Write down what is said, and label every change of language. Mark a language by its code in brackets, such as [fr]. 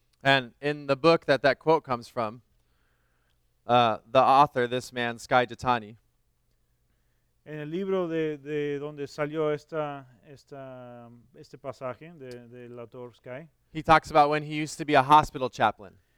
[en] And in the book that quote comes from, the author, this man, Sky Jatani. [es] En el libro de donde salió este pasaje del autor Sky. [en] He talks about when he used to be a hospital chaplain.